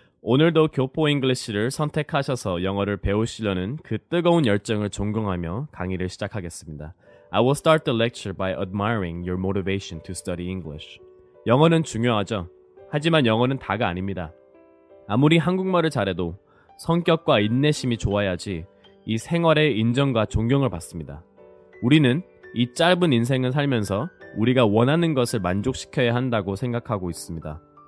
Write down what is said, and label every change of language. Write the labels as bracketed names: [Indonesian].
[Korean] 오늘도 교포 잉글리시를 선택하셔서 영어를 배우시려는 그 뜨거운 열정을 존경하며 강의를 시작하겠습니다. [English] I will start the lecture by admiring your motivation to study English. [Korean] 영어는 중요하죠. 하지만 영어는 다가 아닙니다. 아무리 한국말을 잘해도 성격과 인내심이 좋아야지 이 생활의 인정과 존경을 받습니다. 우리는 이 짧은 인생을 살면서 우리가 원하는 것을 만족시켜야 한다고 생각하고 있습니다.